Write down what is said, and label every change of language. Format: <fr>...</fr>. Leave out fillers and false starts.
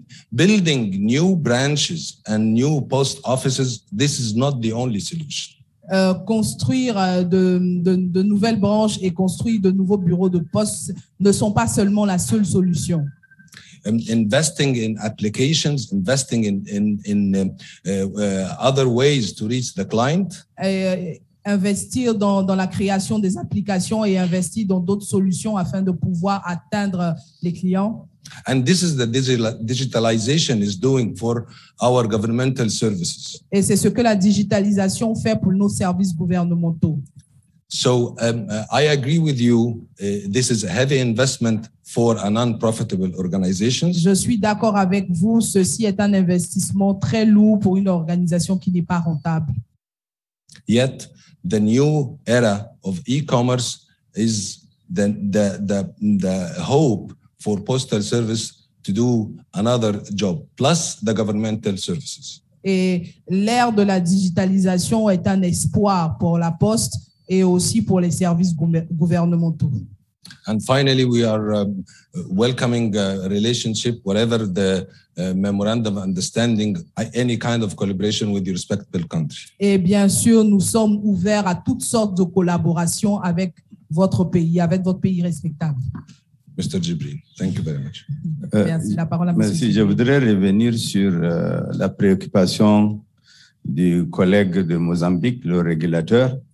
<en>Building new branches and new post offices, this is not the only solution.</en> <fr>Construire de nouvelles branches et construire de nouveaux bureaux de poste ne sont pas seulement la seule solution.</fr> <en>Investing in applications, investing in other ways to reach the client.</en> <fr>Investir dans la création des applications et investir dans d'autres solutions afin de pouvoir atteindre les clients.</fr> <en>And this is the digitalization is doing for our governmental services.</en> <fr>Et c'est ce que la digitalisation fait pour nos services gouvernementaux.</fr> <en>So I agree with you. This is a heavy investment for a non-profitable organization.</en> <fr>Je suis d'accord avec vous. Ceci est un investissement très lourd pour une organisation qui n'est pas rentable.</fr> <en>Yet the new era of e-commerce is the hope for postal service to do another job, plus the governmental services.</en> <fr>Et l'ère de la digitalisation est un espoir pour la poste et aussi pour les services gouvernementaux.</fr> <en>And finally, we are welcoming a relationship, whatever the memorandum of understanding, any kind of collaboration with your respective country.</en> <fr>Et bien sûr, nous sommes ouverts à toutes sortes de collaborations avec votre pays, respectable.</fr> <en>Mr. Djibril, thank you very much.</en> <fr>Merci, la parole à Monsieur Djibril. Je voudrais revenir sur la préoccupation du collègue de Mozambique, le régulateur.</fr>